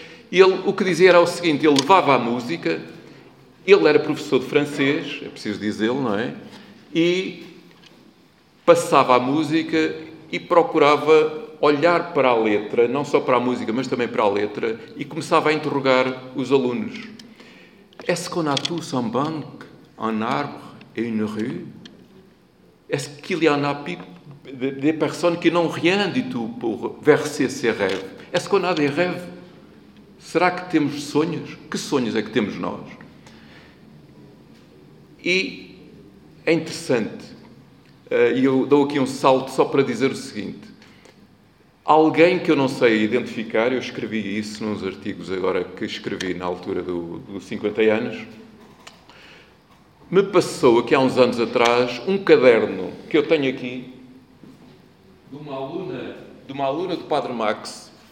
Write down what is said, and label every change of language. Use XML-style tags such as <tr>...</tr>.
<pt>E ele, o que dizia era o seguinte, ele levava a música, ele era professor de francês, é preciso dizê-lo, não é? E passava a música e procurava olhar para a letra, não só para a música, mas também para a letra, e começava a interrogar os alunos.</pt> <fr>Est-ce qu'on a tous un banc, un arbre et une rue? Est-ce qu'il y en a des personnes qui n'ont rien du tout pour verser ses rêves? Est-ce qu'on a des rêves?</fr> <pt>Será que temos sonhos? Que sonhos é que temos nós? E é interessante, e eu dou aqui um salto só para dizer o seguinte, alguém que eu não sei identificar, eu escrevi isso nos artigos agora que escrevi na altura dos 50 anos, me passou aqui há uns anos atrás um caderno que eu tenho aqui de uma aluna do Padre Max,</pt>